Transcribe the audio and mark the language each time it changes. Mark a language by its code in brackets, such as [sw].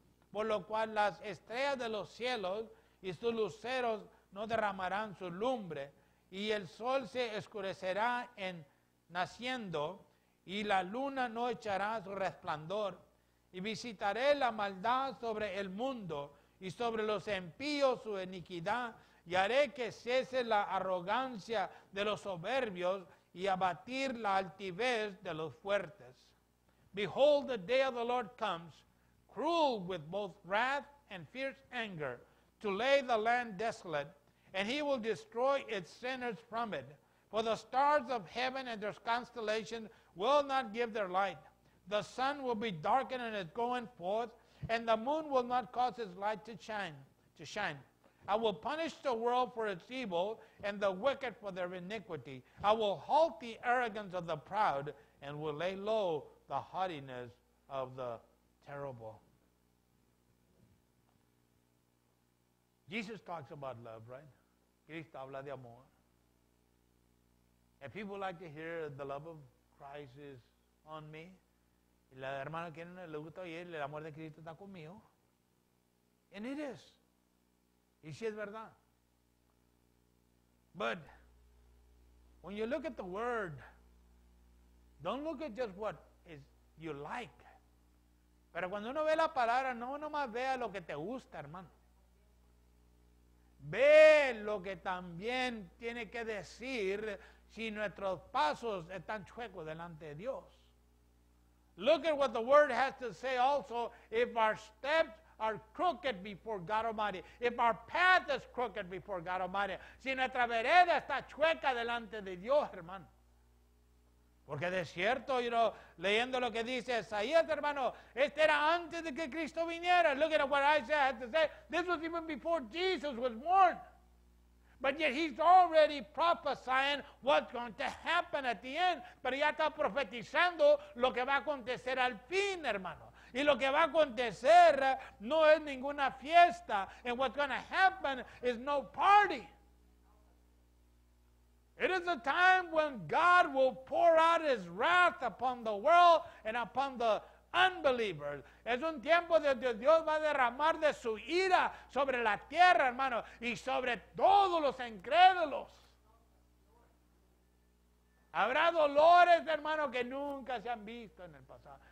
[es] Por lo cual las estrellas de los cielos y sus luceros no derramarán su lumbre, y el sol se oscurecerá en naciendo, y la luna no echará su resplandor, y visitaré la maldad sobre el mundo, y sobre los impíos su iniquidad, y haré que cese la arrogancia de los soberbios, y abatir la altivez de los fuertes. [en] Behold, the day of the Lord comes, cruel with both wrath and fierce anger, to lay the land desolate, and he will destroy its sinners from it. For the stars of heaven and their constellations will not give their light. The sun will be darkened in its going forth, and the moon will not cause its light to shine. I will punish the world for its evil and the wicked for their iniquity. I will halt the arrogance of the proud and will lay low the haughtiness of the terrible. Jesus talks about love, right? [es] Cristo habla de amor. [en] And people like to hear the love of Christ is on me. [es] La hermana que le gusta oír, el amor de Cristo está conmigo. [en] And it is. [es] Y si es verdad. [en] But when you look at the word, don't look at just what is you like. [es] Pero cuando uno ve la palabra, no nomás vea lo que te gusta, hermano. Ve lo que también tiene que decir si nuestros pasos están chuecos delante de Dios. [en] Look at what the word has to say also, if our steps are crooked before God Almighty, if our path is crooked before God Almighty, [es] si nuestra vereda está chueca delante de Dios, hermano. Porque de cierto, [en] you know, [es] leyendo lo que dice Isaías, hermano, este era antes de que Cristo viniera. [en] Looking at what Isaiah had to say, this was even before Jesus was born. But yet he's already prophesying what's going to happen at the end. [es] Pero ya está profetizando lo que va a acontecer al fin, hermano. Y lo que va a acontecer no es ninguna fiesta. [en] And what's going to happen is no party. It is a time when God will pour out his wrath upon the world and upon the unbelievers. [es] Es un tiempo donde Dios va a derramar de su ira sobre la tierra, hermano, y sobre todos los incrédulos. Habrá dolores, hermano, que nunca se han visto en el pasado.